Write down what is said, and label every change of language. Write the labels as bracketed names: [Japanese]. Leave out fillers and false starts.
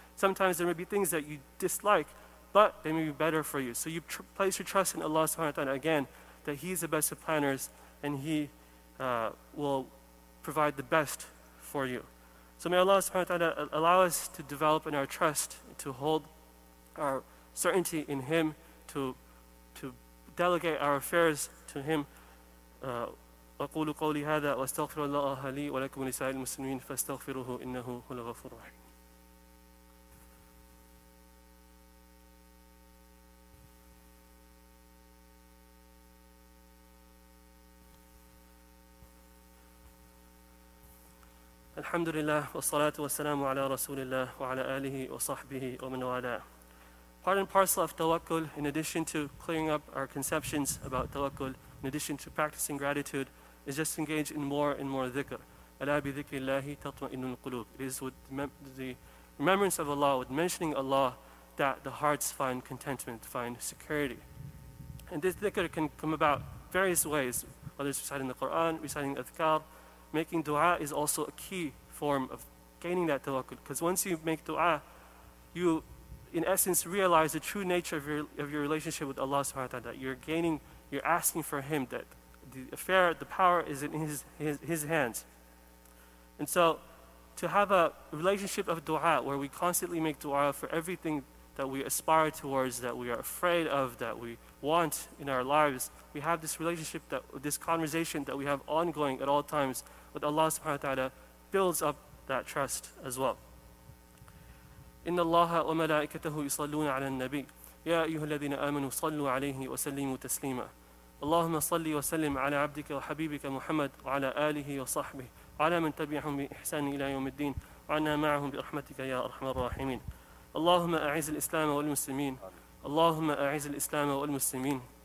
[English] Sometimes there may be things that you dislike, but they may be better for you. So you place your trust in Allah subhanahu wa ta'ala again, that He is the best of planners, and He will provide the best for you. So may Allah subhanahu wa ta'ala allow us to develop in our trust, to hold our certainty in Him, to delegate our affairs to Him. [Arabic] أقول قولي هذا واستغفر الله لي ولكم ولسائر المسلمين فاستغفروه إنه هو الغفور الرحيم. الحمد لله والصلاة والسلام على رسول الله وعلى آله وصحبه ومن والاه. [English] Part and parcel of tawakkul, in addition to clearing up our conceptions about tawakkul, in addition to practicing gratitude, is just engage in more and more dhikr. [Arabic] أَلَا بِذِكْرِ اللَّهِ تَطْمَئِنُ الْقُلُوبِ. [English] It is with the remembrance of Allah, with mentioning Allah, that the hearts find contentment, find security. And this dhikr can come about various ways, whether it's reciting the Qur'an, reciting adhkar. Making dua is also a key form of gaining that tawakkul. Because once you make dua, you, in essence, realize the true nature of your relationship with Allah subhanahu wa ta'ala. That you're gaining, you're asking for Him, that the affair, the power is in His hands. And so, to have a relationship of dua, where we constantly make dua for everything that we aspire towards, that we are afraid of, that we want in our lives, we have this relationship, that this conversation that we have ongoing at all times with Allah subhanahu wa ta'ala, builds up that trust as well. [Arabic] إِنَّ اللَّهَ وَمَلَائِكَتَهُ يُصَلُّونَ عَلَى النَّبِيِّ يَا أَيُّهَا الَّذِينَ آمَنُوا صَلُّوا عَلَيْهِ وَسَلِّمُوا تَسْلِيمًا اللهم صل وسلم على عبدك وحبيبك محمد وعلى آله وصحبه وعلى من تبعهم بإحسان إلى يوم الدين وعنا معهم برحمتك يا أرحم الراحمين اللهم أعز الإسلام والمسلمين اللهم أعز الإسلام والمسلمين